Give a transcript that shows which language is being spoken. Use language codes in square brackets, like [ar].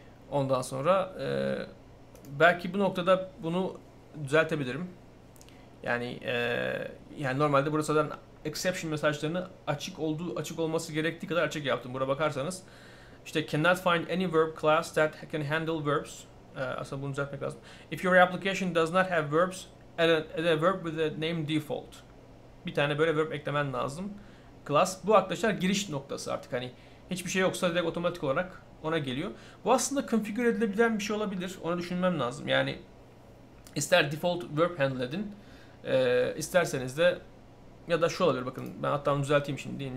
[tr] Ondan sonra belki bu noktada bunu düzeltebilirim. Yani normalde burada zaten exception mesajlarını açık olması gerektiği kadar açık yaptım. Buraya bakarsanız İşte [en] cannot find any verb class that can handle verbs. [tr] Aslında bunu düzeltmek lazım. [en] If your application does not have verbs, add a verb with a name default. [tr] Bir tane böyle verb eklemen lazım. Class bu arkadaşlar giriş noktası artık. Hani hiçbir şey yoksa direkt otomatik olarak ona geliyor. Bu aslında configure edilebilen bir şey olabilir. Onu düşünmem lazım. Yani ister default verb handle edin. İsterseniz de ya da şu olabilir, bakın ben hatta onu düzelteyim şimdi.